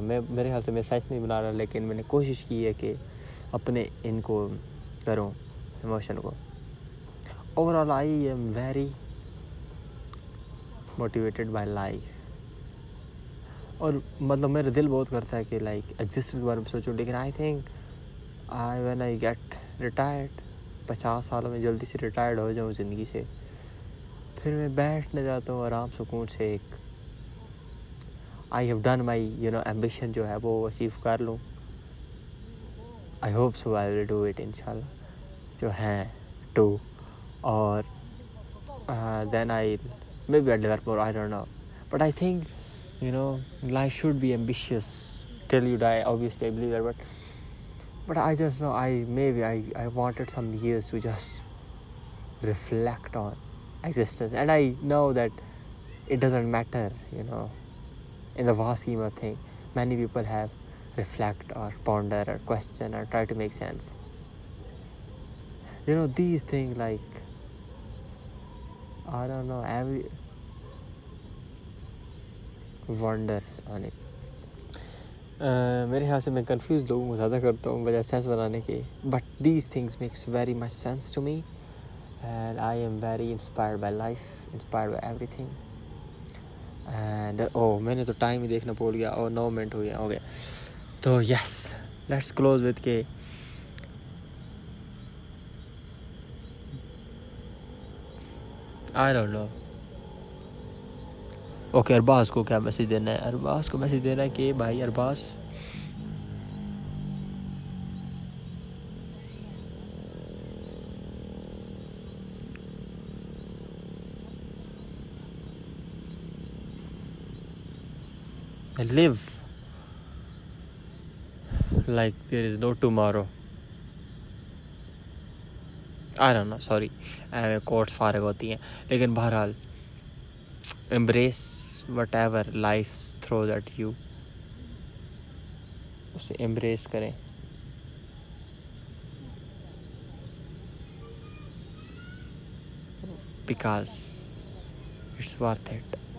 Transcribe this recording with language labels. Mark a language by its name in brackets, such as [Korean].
[Hindi] मेरे ख्याल से मैं सच नहीं बना रहा, लेकिन मैंने कोशिश की है कि अपने इनको करूँ, इमोशन को. [English] Overall, I am very motivated by life. [Hindi] और मतलब मेरा दिल बहुत करता है कि लाइक एग्जिस्टेंस के बारे में सोचूँ, लेकिन [English] I think I when I get retired, [Hindi] 50 साल में जल्दी से रिटायर्ड हो जाऊँ ज़िंदगी से, फिर मैं बैठने जाता हूँ आराम सुकून से, एक [English] I have done my you know ambition [Hindi] जो है वो अचीव कर लूँ. [English] I hope so I will do it [Hindi] इंशाल्लाह जो हैं टू, और [English] then I maybe I develop more, I don't know, but I think you know life should be ambitious till you die, obviously I believe that, but I just know I wanted some years to just reflect on existence, and I know that it doesn't matter, you know, in the vast scheme of thing, many people have reflect or ponder or question or try to make sense, you know, these things, like I don't know, every [Hindi] wonder आने मेरे ख्याल से मैं confuse लोगों को ज़्यादा करता हूँ बजाय सेंस बनाने के, [English] But these things makes very much sense to me, and I am very inspired by life, inspired by everything. And oh [Hindi] मैंने तो टाइम ही देखना भूल गया, और 9 मिनट हो गया, हो गया. [English] तो yes, let's close with के I don't know. [Hindi] Okay, Arbaaz को क्या मैसेज देना है? अरबाज को मैसेज देना है कि भाई Arbaaz, [English] Live like there is no tomorrow. I don't know, [Hindi] sorry courts फारिग होती हैं, लेकिन बहरहाल embrace [English] whatever life throws at you, [Hindi] उसे embrace करें. [English] Because it's worth it.